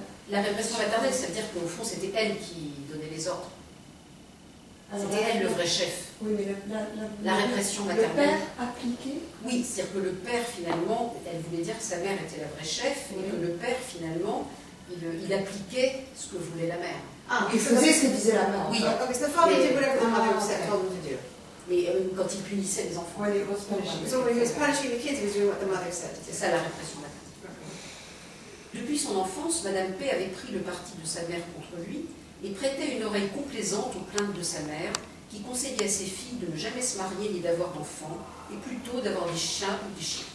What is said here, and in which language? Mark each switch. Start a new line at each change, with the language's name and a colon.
French: La répression maternelle, ça veut dire qu'au fond, c'était elle qui donnait les ordres. C'était elle le vrai chef. Oui, mais la répression maternelle. Le père appliquait. Oui, c'est-à-dire que le père, finalement, elle voulait dire que sa mère était la vraie chef, oui. Et que le père, finalement, il appliquait ce que voulait la mère. Ah, il faisait ce que disait la mère. Oui.
English: Okay, so the father did whatever the mother said for him to do.
French: Mais quand il punissait les enfants.
English: When he was punishing. So when he was punishing the kids, he was doing what the mother said.
French: C'est ça la répression maternelle. Depuis son enfance, Madame P avait pris le parti de sa mère contre lui. Et prêtait une oreille complaisante aux plaintes de sa mère, qui conseillait à ses filles de ne jamais se marier ni d'avoir d'enfants, et plutôt d'avoir des chats ou des chiens.